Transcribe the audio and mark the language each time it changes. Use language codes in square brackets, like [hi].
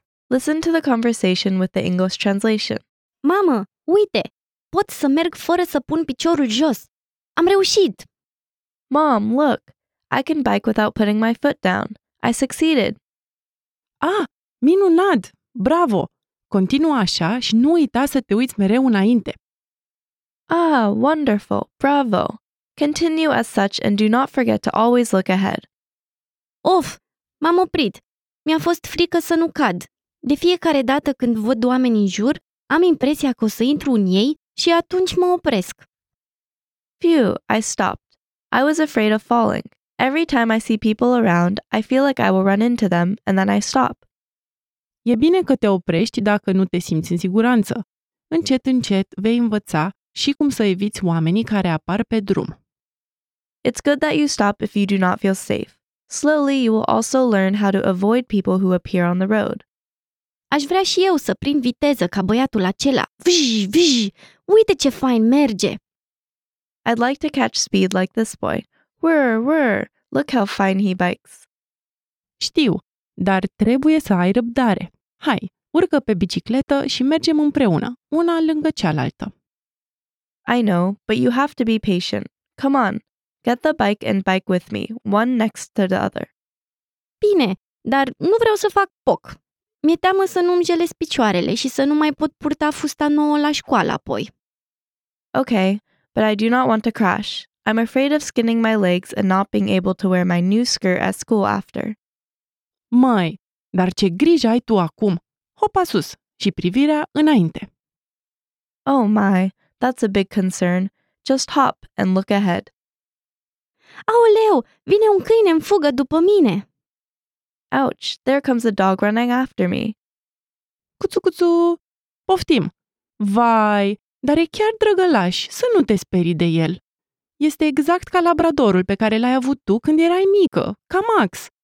[en] Listen to the conversation with the English translation. [ro] Mamă, uite! Pot să merg fără să pun piciorul jos! Am reușit! [en] Mom, look! I can bike without putting my foot down. I succeeded. [ro] Ah, minunat! Bravo! Continuă așa și nu uita să te uiți mereu înainte. [en] Ah, wonderful! Bravo! Continue as such and do not forget to always look ahead. [ro] Of, m-am oprit. Mi-a fost frică să nu cad. De fiecare dată când văd oameni în jur, am impresia că o să intru în ei și atunci mă opresc. [en] Phew, I stopped. I was afraid of falling. Every time I see people around, I feel like I will run into them and then I stop. [ro] E bine că te oprești dacă nu te simți în siguranță. Încet, încet vei învăța și cum să eviți oamenii care apar pe drum. [en] It's good that you stop if you do not feel safe. Slowly you will also learn how to avoid people who appear on the road. [ro] Aș vrea și eu să prind viteză ca băiatul acela. Vj, vj, uite ce fain merge! [en] I'd like to catch speed like this boy. Whir, whir, look how fine he bikes. [ro] Știu, dar trebuie să ai răbdare. Hai, urcă pe bicicletă și mergem împreună, una lângă cealaltă. [en] I know, but you have to be patient. Come on, get the bike and bike with me, one next to the other. [ro] Bine, dar nu vreau să fac poc. Mi-e teamă să nu-mi jelesc picioarele și să nu mai pot purta fusta nouă la școală apoi. [en] Okay, but I do not want to crash. I'm afraid of skinning my legs and not being able to wear my new skirt at school after. [ro] Mai, dar ce grijă ai tu acum! Hopa sus și privirea înainte. [en] Oh my, that's a big concern. Just hop and look ahead. [ro] Aoleu, vine un câine în fugă după mine! [en] Ouch, there comes a dog running after me. [ro] Cuțu, cuțu, poftim! Vai, dar e chiar drăgălaș, să nu te sperii de el! Este exact ca labradorul pe care l-ai avut tu când erai mică, ca Max.